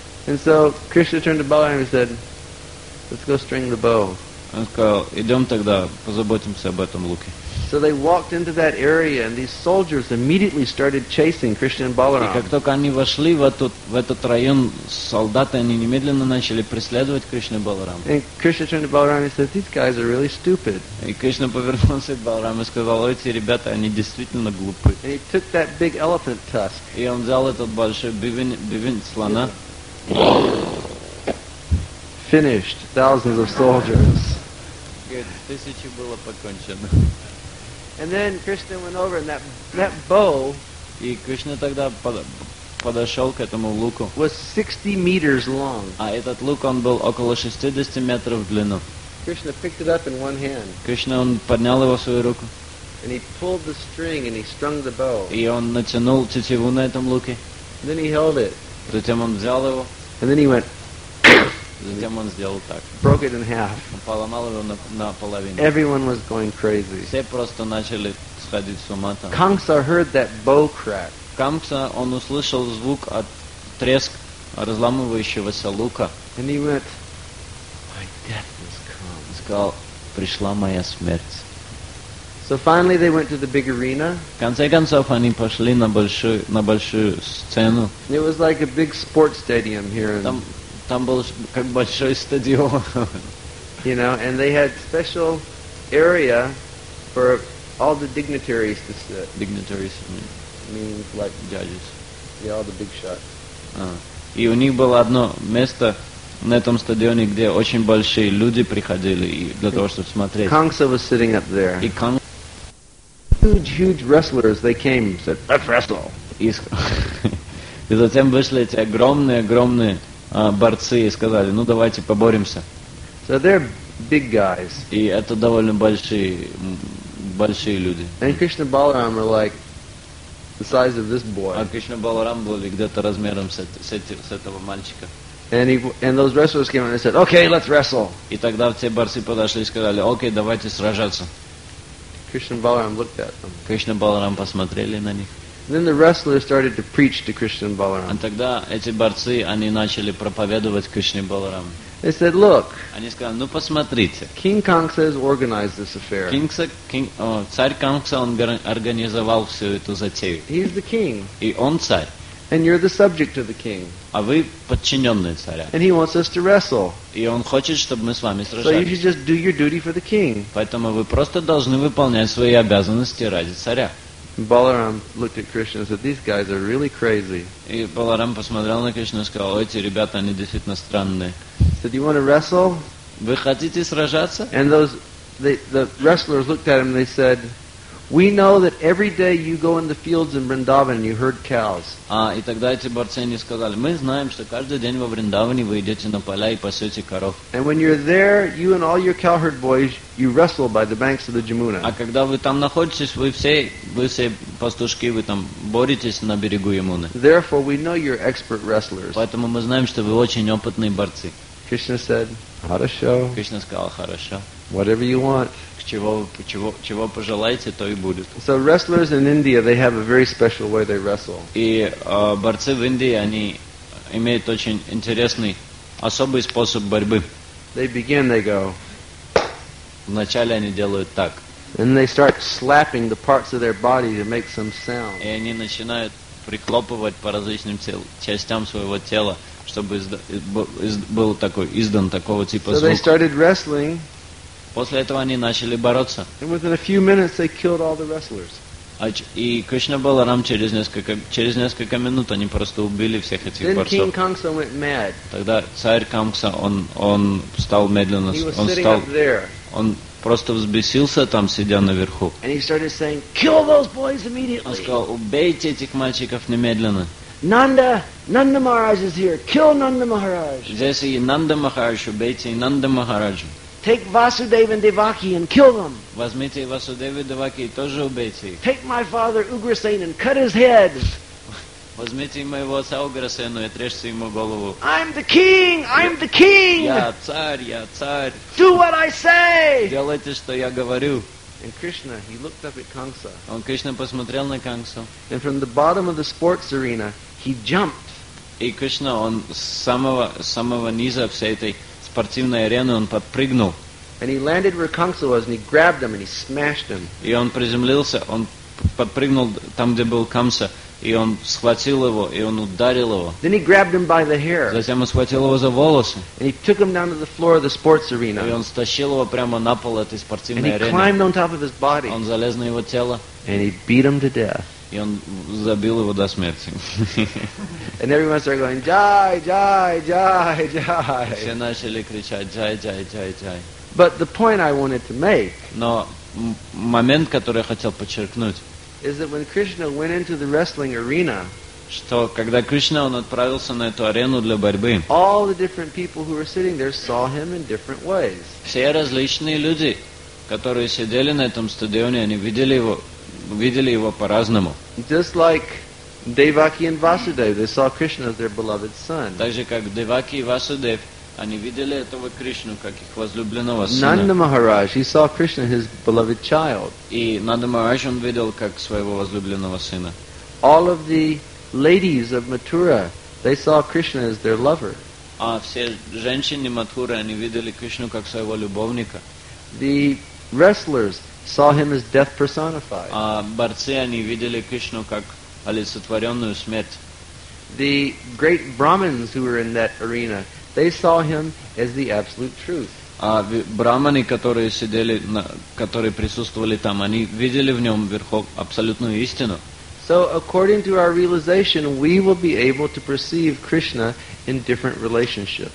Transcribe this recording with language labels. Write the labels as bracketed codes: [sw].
[en] And so Krishna turned to Balaram and said, "Let's go string the bow." [ru] Он сказал: "Идем тогда, позаботимся об этом луке." [en] So they walked into that area, and these soldiers immediately started chasing Krishna and Balaram. [ru] И как только они вошли в этот район, солдаты они немедленно начали преследовать Кришну и Баларам. [en] And Krishna turned to Balaram and said, "These guys are really stupid." [ru] И Кришна повернулся к Баларам и сказал: "Эти ребята, они действительно глупы." [en] And he took that big elephant tusk. [ru] И он взял этот большой бивень слона. [en] Finished thousands of soldiers. Good. [ru] Тысячи было покончено. [en] And then Krishna went over, and that bow. [ru] И Кришна тогда подошел к этому луку. [en] Was 60 meters long. [ru] А этот лук он был около 60 метров в длину. [en] Krishna picked it up in one hand. [ru] Кришна он поднял его в свою руку. [en] And he pulled the string and he strung the bow. [ru] И он натянул тетиву на этом луке. [en] And then he held it. [ru] Затем он взял его. [en] And then he went. [ru] Затем он сделал так. [en] Broke it in half. [ru] Он поломал его на половину. [en] Everyone was going crazy. [ru] Все просто начали сходить с ума там. [en] Kamsa heard that bow crack. [ru] Kamsa, он услышал звук от треск разламывающегося лука. [en] And he went, "My death has come." [ru] Сказал: "Пришла моя смерть." [en] So finally they went to the big arena. [ru] В конце концов они пошли на большую сцену. [en] It was like a big sports stadium here. [ru] Там был как большой стадион. [en] You know, and they had special area for all the dignitaries to sit. Dignitaries. Means like judges. Yeah, all the big shots. [ru] И у них было одно место на этом стадионе, где очень большие люди приходили для того, чтобы смотреть. [en] Kamsa was sitting up there. [ru] И Kamsa. [en] Huge wrestlers, they came and said, "Let's wrestle." [ru] И затем вышли эти огромные борцы и сказали: "Ну давайте поборемся." [en] So they're big guys. [ru] И это довольно большие люди. [en] And Krishna Balaram are like the size of this boy. [ru] А Кришна Баларам был где-то размером с этого мальчика. [en] And those wrestlers came and they said, "Okay, let's wrestle." [ru] И тогда все борцы подошли и сказали, "Окей, давайте сражаться." [en] Krishna Balaram looked at them. [ru] Кришна Баларам посмотрели на них. [en] Then the wrestlers started to preach to Krishna Balaram. [ru] А тогда эти борцы они начали проповедовать Кришне Баларам. [en] They said, "Look." [ru] Они сказали, ну посмотрите. [en] King Kong says, "Organize this affair." [ru] Царь Кангса он организовал всю эту затею. [en] He's the king. [ru] И он царь. [en] And you're the subject to the king. [ru] А вы подчиненные царя. [en] And he wants us to wrestle. [ru] И он хочет, чтобы мы с вами сражались. [en] So you should just do your duty for the king. [ru] Поэтому вы просто должны выполнять свои обязанности ради царя. [en] Balaram looked at Krishna and said, "These guys are really crazy." [ru] И Баларам посмотрел на Кришну и сказал, эти ребята они действительно странные. [en] So do you want to wrestle? [ru] Вы хотите сражаться? [en] And the wrestlers looked at him and they said, "We know that every day you go in the fields in Vrindavan, you herd cows." [ru] А и тогда эти борцы они сказали, мы знаем, что каждый день во Вриндаване вы идете на поля и пасете коров. [en] And when you're there, you and all your cowherd boys, you wrestle by the banks of the Jamuna. [ru] А когда вы там находитесь, вы все пастушки, вы там боретесь на берегу Ямуны. [en] Therefore, we know you're expert wrestlers. [ru] Поэтому мы знаем, что вы очень опытные борцы. [en] Krishna said, [ru] "Хорошо." Кришна сказал, хорошо. [en] Whatever you want. [ru] Чего пожелаете, то и будет. [en] So wrestlers in India, they have a very special way they wrestle. [ru] И борцы в Индии, они имеют очень интересный, особый способ борьбы. [en] They begin, they go. [ru] Вначале они делают так. [en] And they start slapping the parts of their body to make some sound. [ru] И они начинают прихлопывать по различным частям своего тела, чтобы был такой издан такого типа звук. [en] So they started wrestling. [ru] После этого они начали бороться. [en] And within a few minutes they killed all the wrestlers. [ru] И Кришна Баларам через несколько минут они просто убили всех этих [en] then [ru] борцов. [en] King Kangsa went mad. [ru] Тогда царь Кангса он стал медленно, [en] he was [ru] он стал, [en] up there. [ru] Он просто взбесился там, сидя наверху. [en] And he started saying, "Kill those boys immediately." [ru] Он сказал, убейте этих мальчиков немедленно. [en] Nanda Maharaj is here. Kill Nanda Maharaj. [ru] Здесь и Нанда Махарадж, убейте Нанда Махараджа. [en] Take Vasudeva and Devaki and kill them. [ru] Возьмите Васудеву и Деваки и тоже убейте. [en] Take my father Ugrasen and cut his head. [ru] Возьмите моего отца Уграсена и отрежьте ему голову. [en] I'm the king. I'm the king. [ru] Я царь. [en] Do what I say. [ru] Делайте, что я говорю. [en] And Krishna, he looked up at Kangsa. [ru] Он Кришна посмотрел на Кангсу. [en] And from the bottom of the sports arena, he jumped. [ru] И Кришна он самого низа всей этой спортивной арены он подпрыгнул. [en] And he landed where Kangsa was, and he grabbed him and he smashed him. [ru] И он приземлился, он подпрыгнул там, где был Кангса, и он схватил его, и он ударил его. [en] Then he grabbed him by the hair. [ru] Затем он схватил его за волосы. [en] And he took him down to the floor of the sports arena. [ru] И он стащил его прямо на пол этой спортивной арены. [en] And he climbed on top of his body. [ru] Он залез на его тело. [en] And he beat him to death. [ru] И он забил его до смерти. [en] And everyone started going, "Jai, jai, jai, jai." [ru] Все начали кричать, "Jai, jai, jai, jai." [en] But the point I wanted to make. [ru] Но момент, который я хотел подчеркнуть. [en] Is that when Krishna went into the wrestling arena? [ru] Что когда Кришна он отправился на эту арену для борьбы? [en] All the different people who were sitting there saw him in different ways. [ru] Все различные люди, которые сидели на этом стадионе, они видели его по-разному. [en] Just like Devaki and Vasudev, they saw Krishna as their beloved son. [ru] Так же как Деваки и Васудев, они видели этого Кришну как их возлюбленного сына. [en] Nanda Maharaj, he saw Krishna as his beloved child. [ru] И Нанда Махарадж он видел как своего возлюбленного сына. [en] All of the ladies of Mathura, they saw Krishna as their lover. [ru] А все женщины Матхуры они видели Кришну как своего любовника. [en] The wrestlers saw him as death personified. [ru] А борцы они видели Кришну как олицетворенную смерть. [en] The great brahmins who were in that arena, they saw him as the absolute truth. [ru] А брахманы, которые присутствовали там, они видели в нем верхов абсолютную истину. [en] So according to our realization, we will be able to perceive Krishna in different relationships.